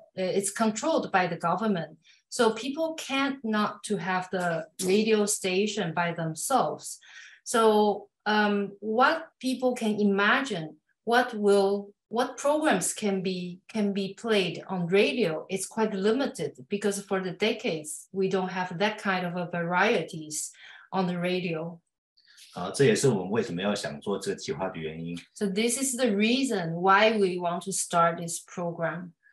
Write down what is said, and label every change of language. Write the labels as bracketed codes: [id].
[en] It's controlled by the government. So people can't not to have the radio station by themselves. So what people can imagine? What programs can be played on radio is quite limited because for the decades we don't have that kind of a varieties on the radio. [zh] 好，这也是我们为什么要想做这个计划的原因。So [en] this is the reason why we want to start this program.